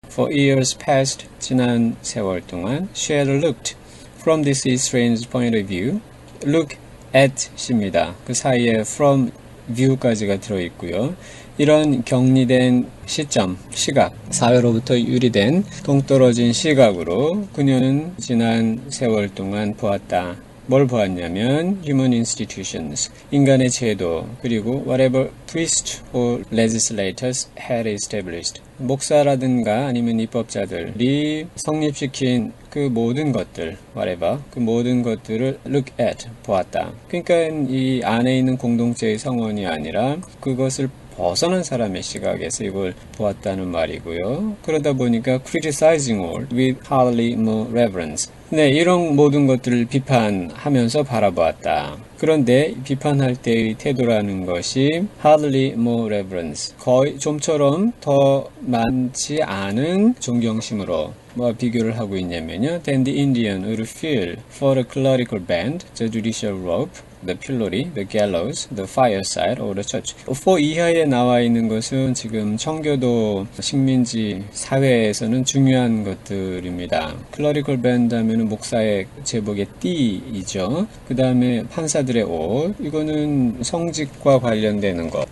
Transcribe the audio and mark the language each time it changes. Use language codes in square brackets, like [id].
[en] For years past, [ko] 지난 세월 동안, [en] she had looked from this strange point of view. [ko] Look at입니다. 그 사이에 from view까지가 들어있고요. 이런 격리된 시점, 시각, 사회로부터 유리된 동떨어진 시각으로 그녀는 지난 세월 동안 보았다. 뭘 보았냐면, [en] human institutions, [ko] 인간의 제도, 그리고 [en] whatever priests or legislators had established, [ko] 목사라든가 아니면 입법자들이 성립시킨 그 모든 것들, whatever, 그 모든 것들을 look at, 보았다. 그러니까 이 안에 있는 공동체의 성원이 아니라 그것을 벗어난 사람의 시각에서 이걸 보았다는 말이고요. 그러다 보니까 [en] criticizing all with hardly more reverence. [ko] 네, 이런 모든 것들을 비판하면서 바라보았다. 그런데 비판할 때의 태도라는 것이 [en] hardly more reverence. [ko] 거의 좀처럼 더 많지 않은 존경심으로 뭐 비교를 하고 있냐면요. [en] Than the Indian would feel for the clerical band, the judicial rope, the pillory, the gallows, the fireside, or the church. [ko] For 이하에 나와 있는 것은 지금 청교도 식민지 사회에서는 중요한 것들입니다. Clerical band 하면 목사의 제복의 띠이죠. 그 다음에 판사들의 옷. 이거는 성직과 관련되는 것.